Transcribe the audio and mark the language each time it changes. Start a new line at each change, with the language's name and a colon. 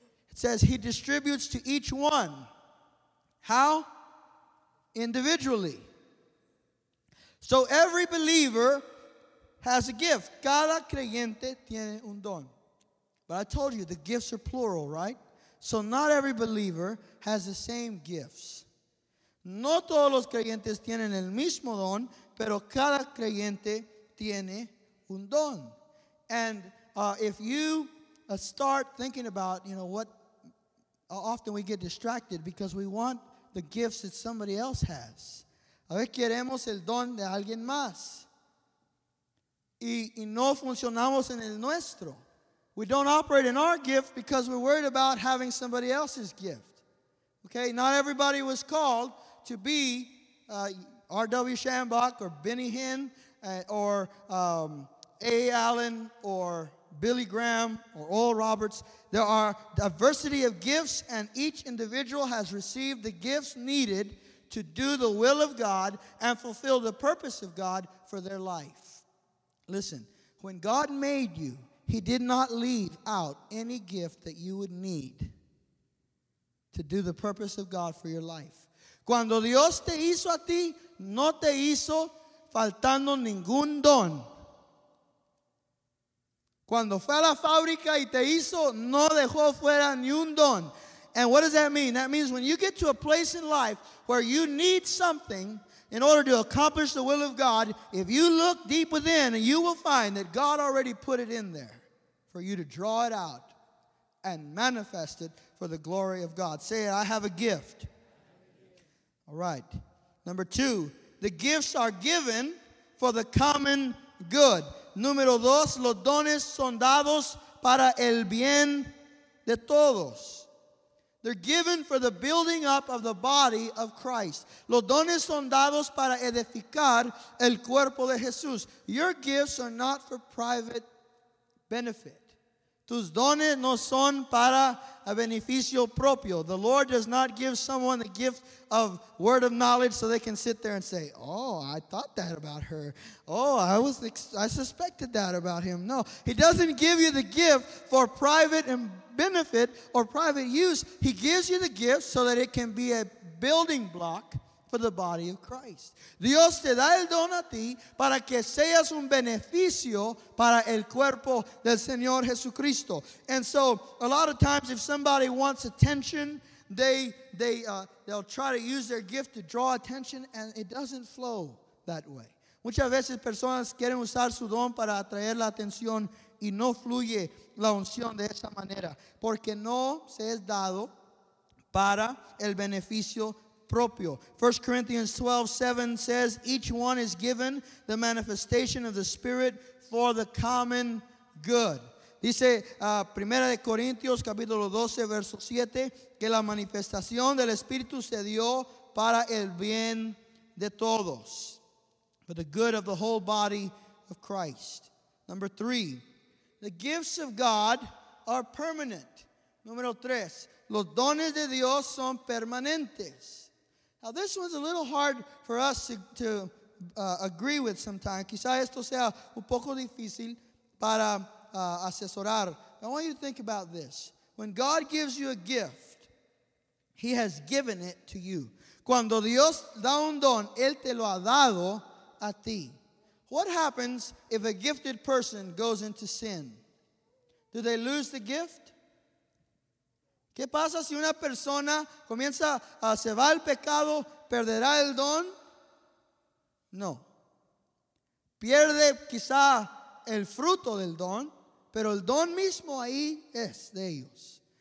English: It says he distributes to each one. How? Individually. So every believer has a gift.
Spanish: Cada creyente tiene un don.
English: But I told you, the gifts are plural, right? So not every believer has the same gifts.
Spanish: No todos los creyentes tienen el mismo don, pero cada creyente tiene un don.
English: And if you start thinking about, you know, what often we get distracted because we want the gifts that somebody else has.
Spanish: A veces queremos el don de alguien más. Y no funcionamos en el nuestro.
English: We don't operate in our gift because we're worried about having somebody else's gift. Okay, not everybody was called to be R.W. Shambach or Benny Hinn or A. Allen or Billy Graham or Oral Roberts. There are diversity of gifts, and each individual has received the gifts needed to do the will of God and fulfill the purpose of God for their life. Listen, when God made you, he did not leave out any gift that you would need to do the purpose of God for your life.
Spanish: Cuando Dios te hizo a ti, no te hizo faltando ningún don. Cuando fue a la fábrica y te hizo, no dejó fuera ni un don.
English: And what does that mean? That means when you get to a place in life where you need something in order to accomplish the will of God, if you look deep within, you will find that God already put it in there for you to draw it out and manifest it for the glory of God. Say it, I have a gift. All right. Number two, the gifts are given for the common good.
Spanish: Número dos, los dones son dados para el bien de todos.
English: They're given for the building up of the body of Christ.
Spanish: Los dones son dados para edificar el cuerpo de Jesús.
English: Your gifts are not for private benefit.
Spanish: Tus dones no son para a beneficio propio.
English: The Lord does not give someone the gift of word of knowledge so they can sit there and say, oh, I thought that about her. Oh, I suspected that about him. No, he doesn't give you the gift for private benefit or private use. He gives you the gift so that it can be a building block for the body of Christ.
Spanish: Dios te da el don a ti para que seas un beneficio para el cuerpo del Señor Jesucristo.
English: And so a lot of times if somebody wants attention, they'll try to use their gift to draw attention, and it doesn't flow that way.
Spanish: Muchas veces personas quieren usar su don para atraer la atención y no fluye la unción de esa manera, porque no se es dado para el beneficio propio.
English: 1 Corinthians 12, 7 says, each one is given the manifestation of the Spirit for the common good.
Spanish: Dice 1 Corintios capítulo 12, verso 7, que la manifestación del Espíritu se dio para el bien de todos,
English: for the good of the whole body of Christ. Number three, the gifts of God are permanent.
Spanish: Número tres, los dones de Dios son permanentes.
English: Now, this one's a little hard for us to agree with sometimes.
Spanish: Quizá esto sea un poco difícil para asesorar.
English: I want you to think about this. When God gives you a gift, he has given it to you.
Spanish: Cuando Dios da un don, él te lo ha dado a ti.
English: What happens if a gifted person goes into sin? Do they lose the gift?
Spanish: ¿Qué pasa si una persona comienza a se va al pecado, perderá el don? No. Pierde quizá el fruto del don, pero el don mismo ahí es de ellos.